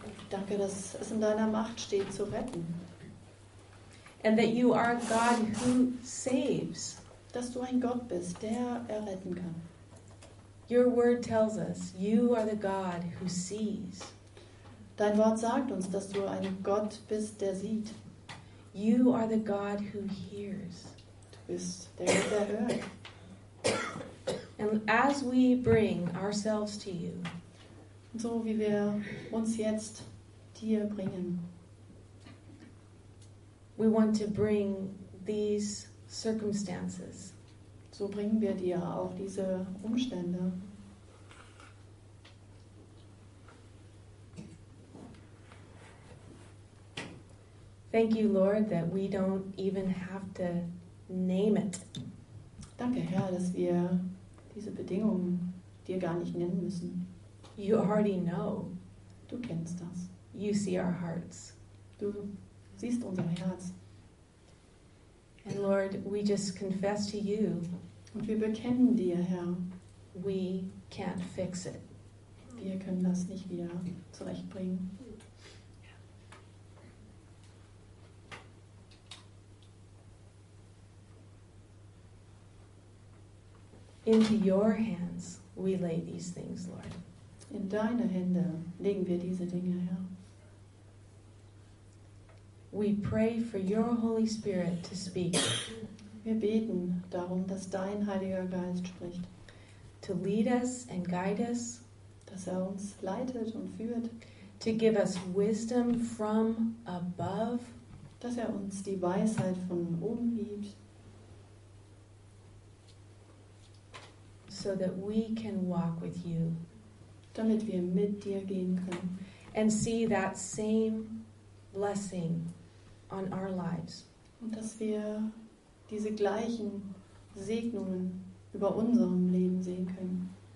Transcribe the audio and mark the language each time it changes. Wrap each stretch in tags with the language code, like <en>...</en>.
<de>Danke, dass es in deiner Macht steht, zu retten.</de> <en>And that you are God who saves.</en> <de>Dass du ein Gott bist, der erretten kann.</de> <en>Your word tells us you are the God who sees.</en> <de>Dein Wort sagt uns, dass du ein Gott bist, der sieht.</de> <en>You are the God who hears.</en> <de>Du bist der Gott, der hört.</de> <en>And as we bring ourselves to you,</en> <de>so wie wir uns jetzt dir bringen,</de> <en>we want to bring these circumstances.</en> <de>So bringen wir dir auch diese Umstände.</de> <en>Thank you, Lord, that we don't even have to name it.</en> <de>Danke, Herr, dass wir diese Bedingungen dir gar nicht nennen müssen.</de> <en>You already know.</en> <de>Du kennst das.</de> <en>You see our hearts.</en> <de>Du siehst unser Herz.</de> <en>And Lord, we just confess to you.</en> <de>Und wir bekennen dir, Herr.</de> <en>We can't fix it.</en> <de>Wir können das nicht wieder zurechtbringen.</de> <en>Into your hands we lay these things, Lord.</en> <de>In deine Hände legen wir diese Dinge, Herr.</de> <en>We pray for your Holy Spirit to speak.</en> <de>Wir beten darum, dass dein Heiliger Geist spricht.</de> <en>To lead us and guide us.</en> <de>Dass er uns leitet und führt.</de> <en>To give us wisdom from above.</en> <de>Dass er uns die Weisheit von oben gibt.</de> <en>So that we can walk with you,</en> <de>damit wir mit dir gehen können,</de> <en>and see that same blessing on our lives,</en> <de>und dass wir diese gleichen Segnungen über unserem Leben sehen können,</de>